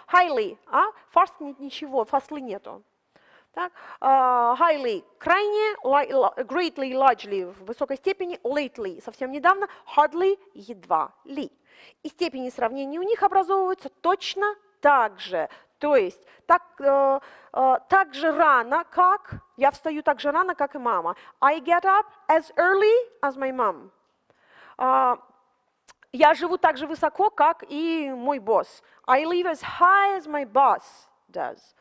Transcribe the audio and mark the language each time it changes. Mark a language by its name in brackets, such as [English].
[Russian] Highly, а fast нет ничего, fastly нету. Так, highly – крайне, greatly – largely – в высокой степени, lately – совсем недавно, hardly – едва ли. И степени сравнения у них образовываются точно так же. То есть так же рано, как… Я встаю так же рано, как и мама. [English] I get up as early as my mom. [Russian] Я живу так же высоко, как и мой босс. [English] I live as high as my boss does.